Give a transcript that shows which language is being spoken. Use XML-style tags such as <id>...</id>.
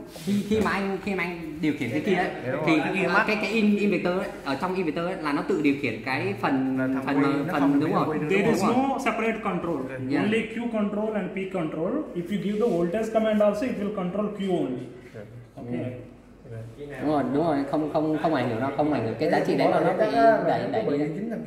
<vi>Khi mà anh điều khiển cái kia ấy, thì cái inverter ở trong inverter là nó tự điều khiển cái phần đúng rồi.</vi> <en>There is no separate control. Only Q control and P control. If you give the voltage command also, it will control Q only. Okay.</en> <vi>Đúng rồi, không ảnh hưởng, nó không ảnh hưởng cái giá trị đấy mà nó bị đẩy đẩy đi.</vi>